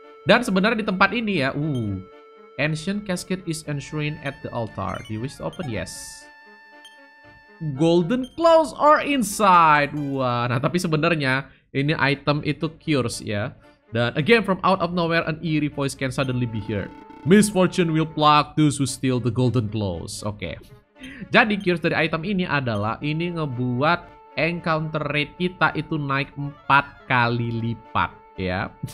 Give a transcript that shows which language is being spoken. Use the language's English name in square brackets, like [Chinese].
[Indonesian] Dan sebenarnya di tempat ini ya... [English] Ancient casket is enshrined at the altar. Do you wish to open? Yes. Golden claws are inside. [Indonesian] Wah, nah tapi sebenarnya ini item itu cures ya. [English] Dan again from out of nowhere an eerie voice can suddenly be heard. Misfortune will pluck those who steal the golden claws. [Indonesian] Oke. Jadi cures dari item ini adalah ini ngebuat encounter rate kita itu naik 4 kali lipat ya.